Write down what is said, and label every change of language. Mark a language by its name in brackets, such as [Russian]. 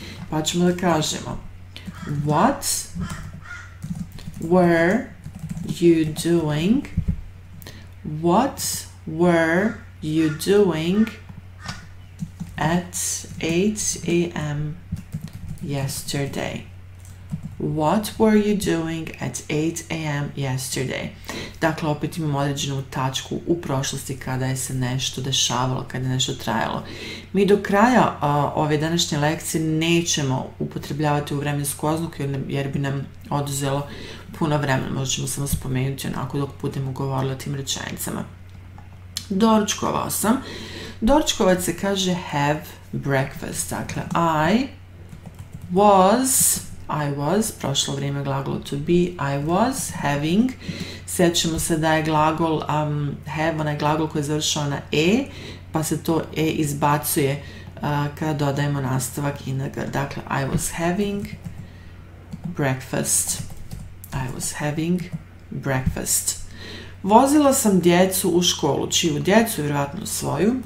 [Bosnian] Pa ćemo da kažemo, [English] what were you doing? What were you doing at 8 a.m. yesterday? What were you doing at 8 a.m. yesterday? [Bosnian] Dakle, opet imamo određenu tačku u prošlosti kada je se nešto dešavalo, kada je nešto trajalo. Mi do kraja ove današnje lekcije nećemo upotrebljavati u vremensku oznaku jer bi nam oduzelo puno vremena. Možda ćemo samo spomenuti onako dok budemo govorili o tim rečenicama. Doručkovao sam. Doručkovat se kaže [English] have breakfast. [Bosnian] Dakle, [English] I was, [Bosnian] prošlo vrijeme glagola to be, [English] I was having, [Bosnian] sjećamo se da je glagol have, onaj glagol koji je završao na e, pa se to e izbacuje kada dodajemo nastavak ing. Dakle, [English] I was having breakfast. I was having breakfast. [Bosnian] Vozila sam djecu u školu, čiju djecu, vjerojatno svoju.